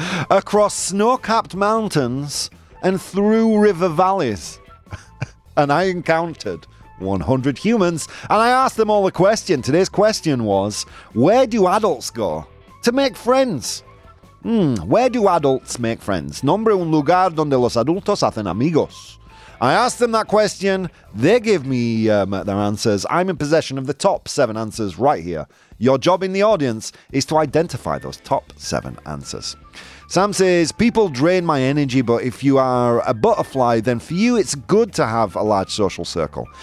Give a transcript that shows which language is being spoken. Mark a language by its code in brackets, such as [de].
[en] Across snow-capped mountains and through river valleys. And I encountered 100 humans, and I asked them all a question. Today's question was, where do adults go to make friends? Where do adults make friends? [es] Nombre un lugar donde los adultos hacen amigos. [en] I asked them that question. They gave me their answers. I'm in possession of the top seven answers right here. Your job in the audience is to identify those top seven answers. Sam says, people drain my energy, but if you are a butterfly, then for you, it's good to have a large social circle.